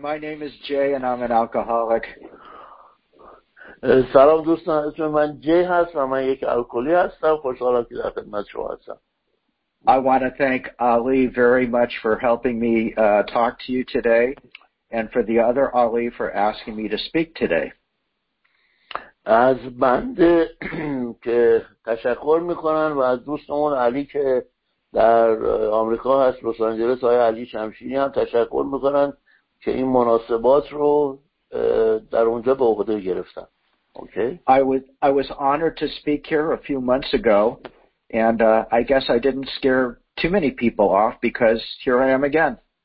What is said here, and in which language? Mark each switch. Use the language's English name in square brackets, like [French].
[English] My name is Jay, and I'm an alcoholic. [Persian] سلام دوستان، اسم من جی هست و من یک الکلی هستم. خوشحالم که در خدمت شما هستم. [English] I want to thank Ali very much for helping me talk to you today and for the other Ali for asking me to speak today. [Persian] از بنده که تشکر میکنن و از دوستمون علی که در آمریکا هست، لس آنجلس، های علی شمشینی هم تشکر میکنن که این مناسبات رو در اونجا به عهده گرفتن. [English] Okay. I was honored to speak here a few months ago, and I guess I didn't scare too many people off because here I am again.